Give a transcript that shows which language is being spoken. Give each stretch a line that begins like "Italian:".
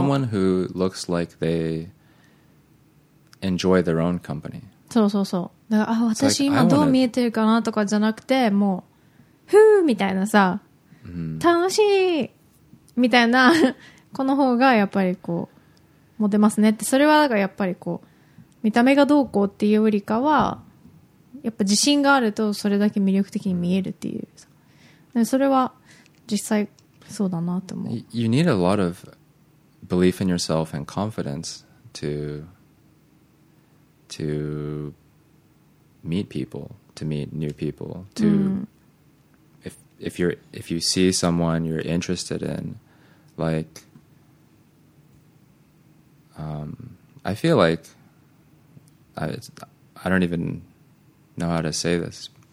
English: Someone who looks like they enjoy their own company.
Japanese: そうそうそう。だから、あ、私今どう見えてるかなとかじゃなくて、もう、ふぅみたいなさ、楽しいみたいな、この方がやっぱりこう、モテますねって。それはだからやっぱりこう、見た目がどうこうっていうよりかは、やっぱ自信があるとそれだけ魅力的に見えるっていうさ。で、それは実際そうだなって思う。
English: You need a lot of belief in yourself and confidence to meet people, to meet new people, to if you see someone you're interested in, like I feel like I don't even know how to say this.